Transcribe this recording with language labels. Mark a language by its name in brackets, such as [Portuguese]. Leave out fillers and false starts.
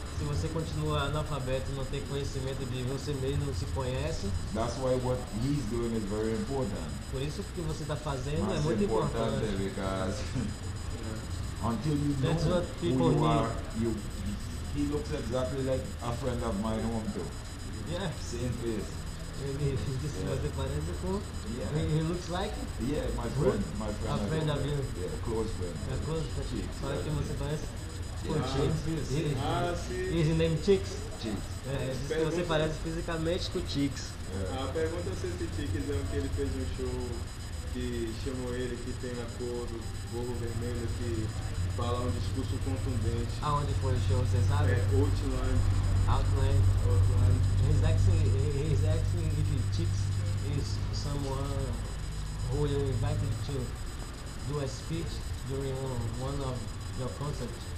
[Portuguese] Se você continua analfabeto, não tem conhecimento de você mesmo, não se conhece. [English] That's why what he's doing is very important. [Portuguese] Por isso que você está fazendo é muito importante. [English] Because until you know who you are, he looks exactly like a friend of mine, won't he? Yeah. Same face. He looks like it. Yeah, my friend. A friend of you. Yeah, close friend. A close friend. [Portuguese] Chicks. Fala que você parece. [English] Chicks. His name Chicks? Chicks. [Portuguese] É, você parece fisicamente com o Chicks. A pergunta é se esse Chicks é o que ele fez um show que chamou ele, que tem a cor do gorro vermelho, que fala um discurso contundente. Aonde foi o show, você sabe? É Outland. Outland. [English] He's asking if Chicks is someone who you invited to do a speech during one of your concerts.